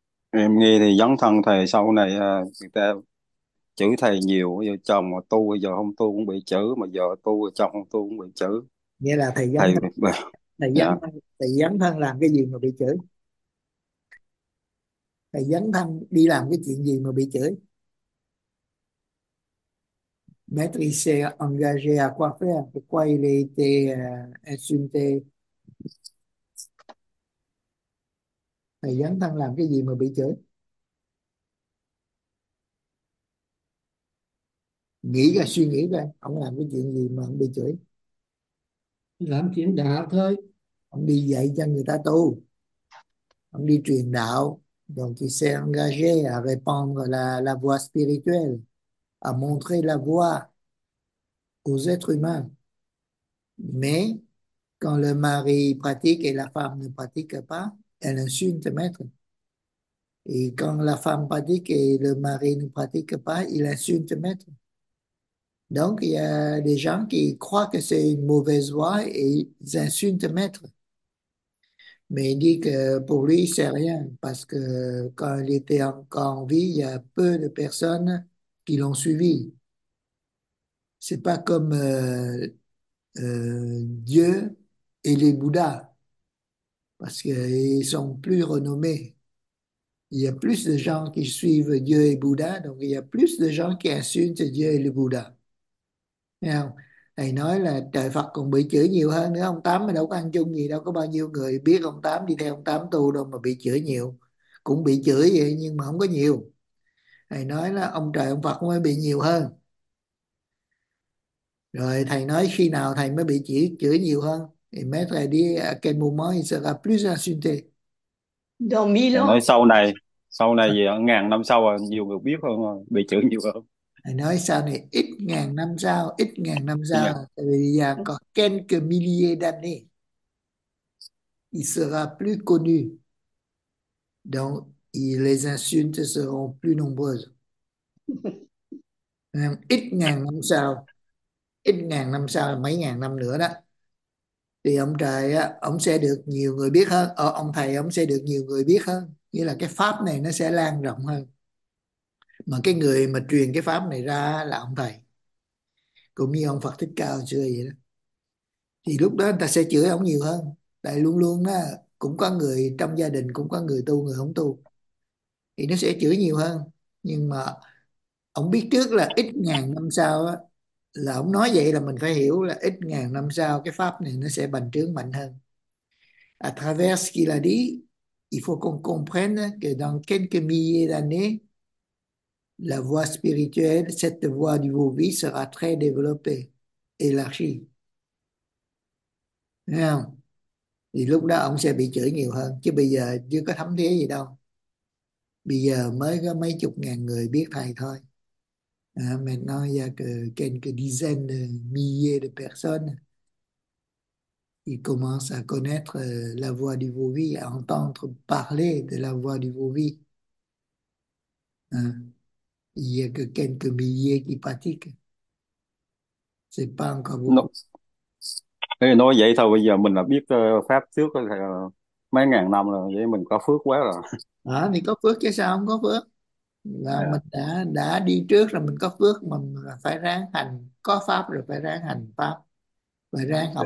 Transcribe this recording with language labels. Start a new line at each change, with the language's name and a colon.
Vietnamese: Em nghe thì dấn thân thầy sau này người ta chửi thầy nhiều, giờ chồng mà tu bây giờ không tu cũng bị chửi, mà giờ tu chồng không tu cũng bị chửi Nghĩa là thầy dấn thầy. thân, thầy dấn thân làm cái gì mà bị chửi? Thầy dấn thân đi làm cái chuyện gì mà bị chửi?
French: Maître il s'est engagé à quoi faire? Pourquoi il a été insulté?
Vietnamese: Thầy dấn thân làm cái gì mà bị chửi? Nghĩ ra, suy nghĩ ra, ông làm cái chuyện gì mà ông bị chửi? Làm chuyện đạo thôi. Ông đi dạy cho người ta tu, ông đi truyền đạo.
French: Donc il s'est engagé à répandre la voie spirituelle, à montrer la voie aux êtres humains. Mais quand le mari pratique et la femme ne pratique pas, elle insulte le maître. Et quand la femme pratique et le mari ne pratique pas, il insulte le maître. Donc il y a des gens qui croient que c'est une mauvaise voie et ils insultent le maître. Mais il dit que pour lui, c'est rien, parce que quand il était encore en vie, il y a peu de personnes qui l'ont suivi. Ce n'est pas comme Dieu et les Bouddhas, parce qu'ils sont plus renommés. Il y a plus de gens qui suivent Dieu et Bouddha, donc il y a plus de gens qui insultent Dieu et les Bouddhas.
Vietnamese: Thấy không? Thầy nói là trời Phật còn bị chửi nhiều hơn nữa. Ông Tám mà đâu có ăn chung gì đâu, có bao nhiêu người biết ông Tám, đi theo ông Tám tu đâu mà bị chửi nhiều. Cũng bị chửi vậy nhưng mà không có nhiều. Thầy nói là ông trời ông Phật mới bị nhiều hơn. Rồi thầy nói khi nào thầy mới bị chửi nhiều hơn? Thì mấy thầy đi
French: à quel moment il sera plus insulté. Dans 1000
Vietnamese: Thầy
French: ans.
Vietnamese: nói sau này gì, ngàn năm sau rồi, nhiều người biết hơn rồi, bị chữ nhiều hơn. Thầy nói sau này ít ngàn năm sau, ít ngàn năm Yeah. sau, tại vì già có
French: quelques milliers d'années, il sera plus connu. Donc, les insultes seront plus nombreuses.
Vietnamese: Ít ngàn năm sau, ít ngàn năm sau là mấy ngàn năm nữa đó, thì ông trời á, ông sẽ được nhiều người biết hơn, ông thầy ông sẽ được nhiều người biết hơn, nghĩa là cái pháp này nó sẽ lan rộng hơn. Mà cái người mà truyền cái pháp này ra là ông thầy, cũng như ông Phật Thích Ca hồi xưa vậy đó. Thì lúc đó người ta sẽ chửi ông nhiều hơn, tại luôn luôn đó cũng có người trong gia đình, cũng có người tu người không tu, thì nó sẽ chửi nhiều hơn. Nhưng mà ông biết trước là ít ngàn năm sau á, là ông nói vậy là mình phải hiểu là ít ngàn năm sau cái pháp này nó sẽ bành trướng mạnh hơn.
French: À travers ce qu'il a dit, il faut qu'on comprenne que dans quelques milliers d'années, la voie spirituelle, cette voie du Vau-Vie sera très développée, élargie.
Vietnamese: Thấy không? Thì lúc đó ông sẽ bị chửi nhiều hơn, chứ bây giờ chưa có thấm thía gì đâu. Bây giờ mới có mấy chục ngàn người biết thầy thôi.
French: Maintenant, il y a quelques dizaines de milliers de personnes qui commencent à connaître la voix du Vau-Vie, à entendre parler de la voix du Vau-Vie. Il y a que quelques milliers qui pratiquent. Ce n'est pas encore beaucoup.
Vietnamese: Nói vậy thôi, bây giờ mình đã biết pháp trước mấy ngàn năm rồi, vậy mình có phước quá rồi. À, thì có phước chứ sao không có phước? Là Yeah. mình đã đi trước rồi mình có phước, mà phải ráng hành có pháp rồi phải ráng hành pháp, phải ráng học